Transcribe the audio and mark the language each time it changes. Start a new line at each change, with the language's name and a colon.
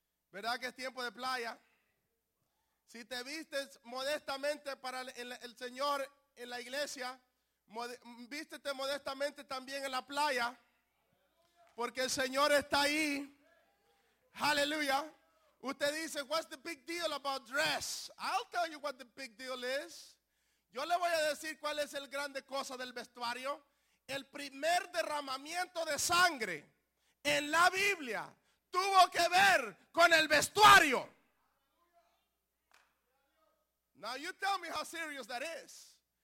Spanish: ¿Verdad que es tiempo de playa? Si te vistes modestamente para el Señor, en la iglesia, vístete modestamente también en la playa, porque el Señor está ahí. Aleluya. Usted dice,
English: what's the big deal about dress? I'll tell you what the big deal is.
Spanish: Yo le voy a decir cuál es el grande cosa del vestuario. El primer derramamiento de sangre en la Biblia tuvo que ver con el vestuario.
English: Now you tell me how serious that is.